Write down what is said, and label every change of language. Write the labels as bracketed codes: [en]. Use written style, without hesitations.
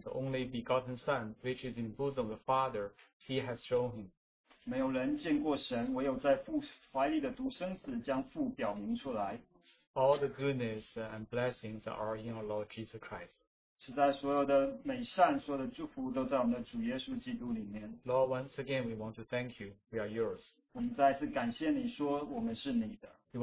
[en] The only begotten Son, which is in the bosom of the Father, He has shown Him. [zh] 没有人见过神，唯有在父怀里的独生子将父表明出来。 [en] All the goodness and blessings are in our Lord Jesus Christ. [zh] 实在所有的美善，所有的祝福都在我们的主耶稣基督里面。 [en] Lord, once again, we want to thank you. We are yours. [zh] 我们再次感谢你说我们是你的。 [en] We